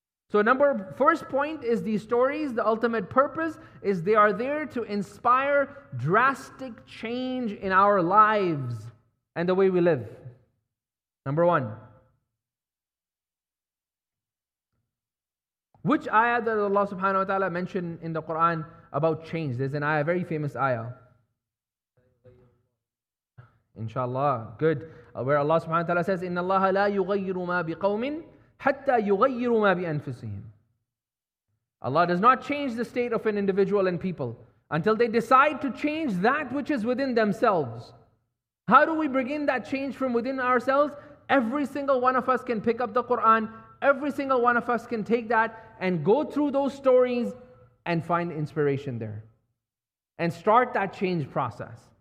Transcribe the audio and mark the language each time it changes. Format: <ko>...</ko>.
<en>So first point is these stories, the ultimate purpose is they are there to inspire drastic change in our lives and the way we live. Number one. Which ayah does Allah subhanahu wa ta'ala mention in the Quran about change? There's an ayah, a very famous ayah. Inshallah, good. Where Allah subhanahu wa ta'ala says,</en> <ar>إِنَّ اللَّهَ لَا يُغَيِّرُ مَا بِقَوْمٍ حَتَّى يُغَيِّرُوا مَا بِأَنفُسِهِمْ.</ar> <en>Allah does not change the state of an individual and people until they decide to change that which is within themselves. How do we bring in that change from within ourselves? Every single one of us can pick up the Quran, every single one of us can take that and go through those stories and find inspiration there and start that change process.</en>